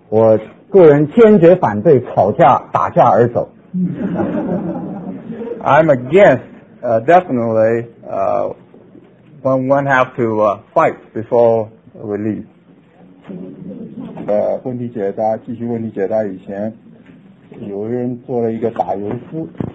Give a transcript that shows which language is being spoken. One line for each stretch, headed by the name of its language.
Chinese: 我个人坚决反对吵架打架而走。
English: I'm against definitely when one have to fight before we leave.
Chinese: 问题解答，继续问题解答以前，有人做了一个打油夫。